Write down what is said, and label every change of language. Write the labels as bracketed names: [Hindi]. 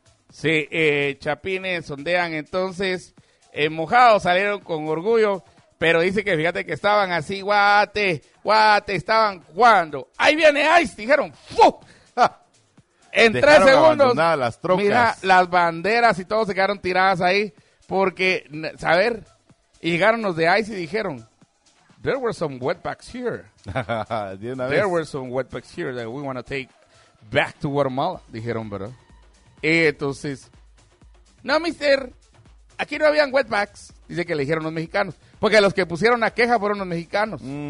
[Spanish] Sí, chapines ondean entonces, mojados salieron con orgullo, pero dice que fíjate que estaban así, guate, estaban jugando. ¡Ahí viene Ice! Dijeron, ¡fu! En tres segundos, las trocas. Mira, las banderas y todo se quedaron tiradas ahí, porque, ¿saber? Y llegaron los de Ice y dijeron, [English] there were some wetbacks here. [Spanish] De una vez. [English] There were some wetbacks here that we want to take back to Guatemala, [Spanish] dijeron, ¿verdad? Y entonces, no, mister, aquí no habían wetbacks, dice que le dijeron los mexicanos. Porque los que pusieron la queja fueron los mexicanos.